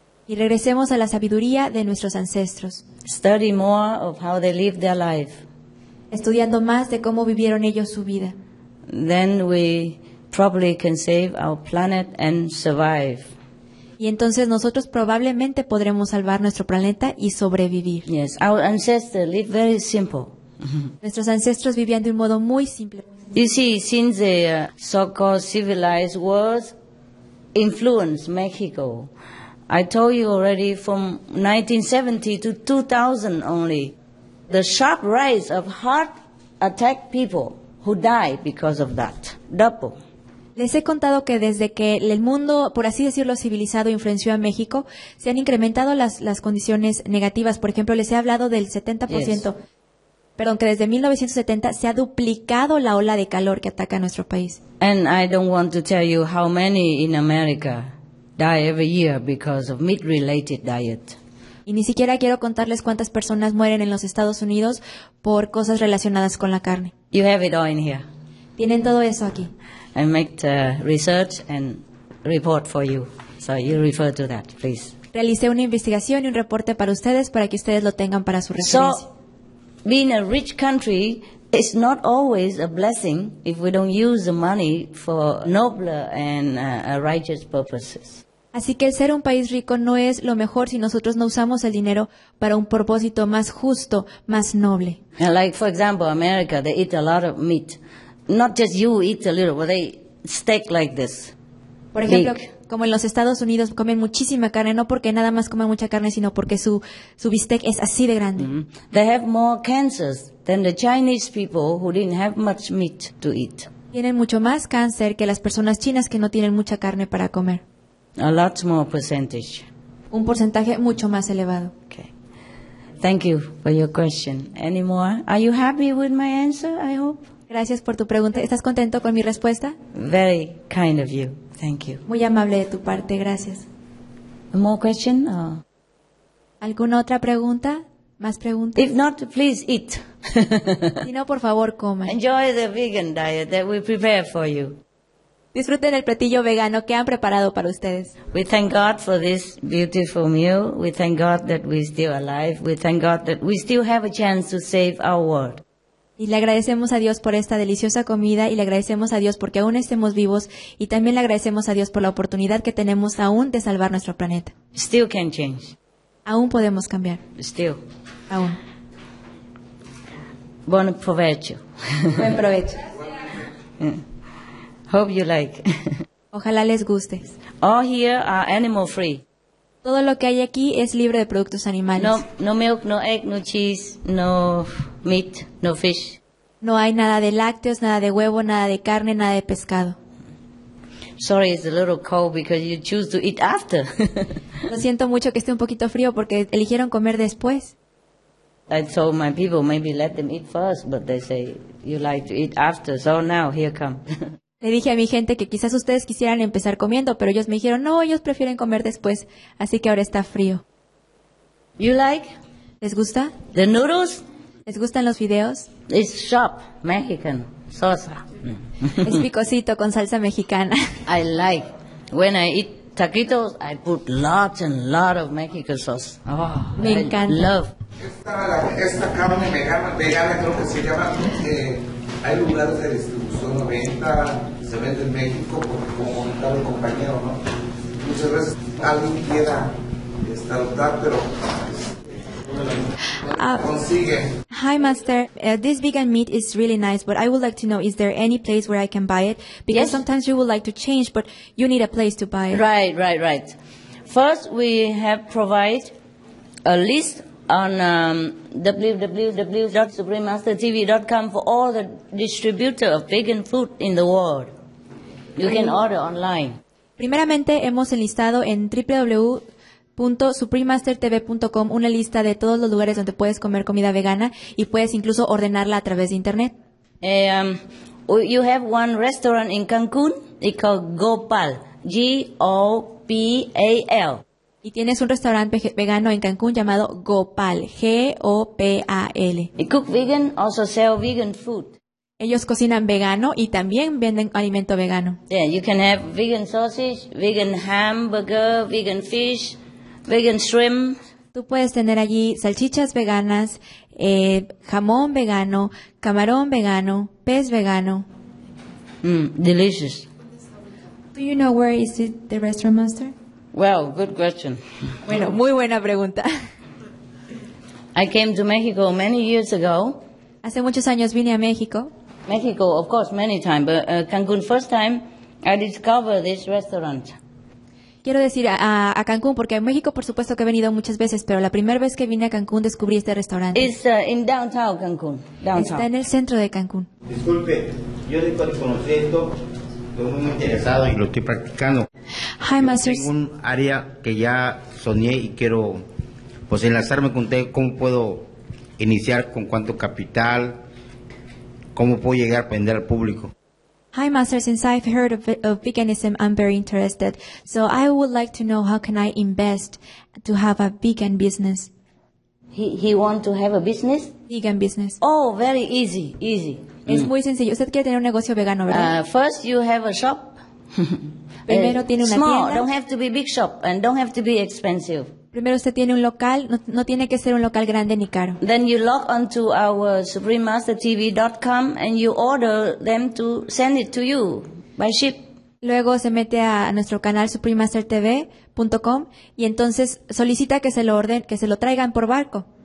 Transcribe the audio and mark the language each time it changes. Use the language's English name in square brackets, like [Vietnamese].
[Spanish] Y regresemos a la sabiduría de nuestros ancestros. [English] Study more of how they lived their life. [Spanish] Estudiando más de cómo vivieron ellos su vida. [English] Then we probably can save our planet and survive. [Spanish] Y entonces nosotros probablemente podremos salvar nuestro planeta y sobrevivir. [English] Yes, our ancestors lived very simple. [Spanish] Nuestros ancestros vivían de un modo muy simple. [English] You see, since the so-called civilized world influenced Mexico, I told you already from 1970 to 2000 only, the sharp rise of heart attack people who died because of that, double. [Spanish] Les he contado que desde que el mundo, por así decirlo, civilizado influenció a México, se han incrementado las condiciones negativas. Por ejemplo, les he hablado del 70%. [English] Yes. [Spanish] Perdón, que desde 1970 se ha duplicado la ola de calor que ataca a nuestro país. [English] And I don't want to tell you how many in America die every year because of meat-related diet. [Spanish] Y ni siquiera quiero contarles cuántas personas mueren en los Estados Unidos por cosas relacionadas con la carne. [English] You have it all in here. [Spanish] Tienen todo eso aquí. [English] I make the research and report for you. So you refer to that, please. [Spanish] Realicé una investigación y un reporte para ustedes para que ustedes lo tengan para su referencia. [English] So, being a rich country is not always a blessing if we don't use the money for nobler and righteous purposes. [Spanish] Así que el ser un país rico no es lo mejor si nosotros no usamos el dinero para un propósito más justo, más noble. [English] Like for example, America, they eat a lot of meat. Not just you eat a little, but they steak like this. [Spanish] Por ejemplo, como en los Estados Unidos comen muchísima carne, no porque nada más coman mucha carne, sino porque su bistec es así de grande. Mm-hmm. [English] They have more cancers than the Chinese people who didn't have much meat to eat. [Spanish] Tienen mucho más cáncer que las personas chinas que no tienen mucha carne para comer. [English] A lot more percentage. [Spanish] Un porcentaje mucho más elevado. [English] Okay. Thank you for your question. Any more? Are you happy with my answer? I hope. [Spanish] Gracias por tu pregunta. ¿Estás contento con mi respuesta? [English] Very kind of you. Thank you. [Spanish] Muy amable de tu parte, gracias. [English] More question? [Spanish] ¿Alguna otra pregunta? ¿Más preguntas? [English] If not, please eat. [Spanish] Si no, por favor, coma. [English] Enjoy the vegan diet that we prepare for you. [Spanish] Disfruten el platillo vegano que han preparado para ustedes. [English] We thank God for this beautiful meal. We thank God that we're still alive. We thank God that we still have a chance to save our world. [Spanish] Y le agradecemos a Dios por esta deliciosa comida y le agradecemos a Dios porque aún estemos vivos y también le agradecemos a Dios por la oportunidad que tenemos aún de salvar nuestro planeta. [English] Still can change. [Spanish] Aún podemos cambiar. [English] Still. [Spanish] Aún. Buen provecho. Buen provecho. [English] Hope you like. [Spanish] Ojalá les guste. [English] All here are animal free. [Spanish] Todo lo que hay aquí es libre de productos animales. [English] No milk, no egg, no cheese, no meat, no fish. [Spanish] No hay nada de lácteos, nada de huevo, nada de carne, nada de pescado. [English] Sorry, it's a little cold because you choose to eat after. [Spanish] Lo siento mucho que esté un poquito frío porque eligieron comer después. [English] I told my people maybe let them eat first, but they say you like to eat after, so now here come. [Spanish] Le dije a mi gente que quizás ustedes quisieran empezar comiendo, pero ellos me dijeron, no, ellos prefieren comer después, así que ahora está frío. [English] You like? [Spanish] ¿Les gusta? [English] The noodles? [Spanish] ¿Les gustan los fideos? [English] It's sharp, Mexican, salsa. [Spanish] Es picosito con salsa mexicana. [English] I like. When I eat taquitos, I put lots and lots of Mexican sauce. Oh, [Spanish] me [English] I [Spanish] encanta. [English] Love. [Spanish] Esta carne vegana, creo que se llama, hay lugares de distribución. se vende en México, como comentaba el compañero, ¿no? Muchas veces alguien quiera startup, pero consigue. [English] Hi, Master. This vegan meat is really nice, but I would like to know, is there any place where I can buy it? Because yes. Sometimes you would like to change, but you need a place to buy it. Right, right, right. First, we have provide a list on www.suprememastertv.com for all the distributors of vegan food in the world. You can order online. [Spanish] Primeramente, hemos enlistado en www.suprememastertv.com una lista de todos los lugares donde puedes comer comida vegana y puedes incluso ordenarla a través de internet. [English] You have one restaurant in Cancun, it's called Gopal, G-O-P-A-L. [Spanish] Y tienes un restaurante vegano en Cancún llamado Gopal, G-O-P-A-L. [English] They cook vegan, also sell vegan food. [Spanish] Ellos cocinan vegano y también venden alimento vegano. [English] Yeah, you can have vegan sausage, vegan hamburger, vegan fish, vegan shrimp. [Spanish] Tú puedes tener allí salchichas veganas, jamón vegano, camarón vegano, pez vegano. [English] Mm, delicious. Do you know where is it, the restaurant, Master? Well, good question. [Spanish] Bueno, muy buena pregunta. [English] I came to Mexico many years ago. [Spanish] Hace muchos años vine a México. [English] Mexico, of course, many times, but Cancún, first time I discovered this restaurant. [Spanish] Quiero decir a Cancún, porque en México, por supuesto, que he venido muchas veces, pero la primera vez que vine a Cancún descubrí este restaurante. [English] It's in downtown Cancún. Downtown. [Spanish] Está en el centro de Cancún. Disculpe, yo desconocí esto. Estoy muy interesado y lo estoy practicando. [English] Hi, Masters. [Spanish] Tengo un área que ya soñé y quiero pues enlazarme con usted. ¿Cómo puedo iniciar? ¿Con cuánto capital? ¿Cómo puedo llegar a vender al público? [English] Hi, Master. Since I've heard of veganism, I'm very interested. So I would like to know, how can I invest to have a vegan business? He wants to have a business? Vegan business. Oh, very easy. [Spanish] Es muy sencillo. Usted quiere tener un negocio vegano, ¿verdad? [English] First, you have a shop. [Spanish] Primero tiene una [English] small, [Spanish] tienda. [English] Small, don't have to be big shop, and don't have to be expensive. [Spanish] Primero usted tiene un local, no tiene que ser un local grande ni caro. [English] Then you log onto our suprememastertv.com and you order them to send it to you by ship. [Spanish] Luego se mete a nuestro canal suprememastertv.com y entonces solicita que se lo orden, que se lo traigan por barco.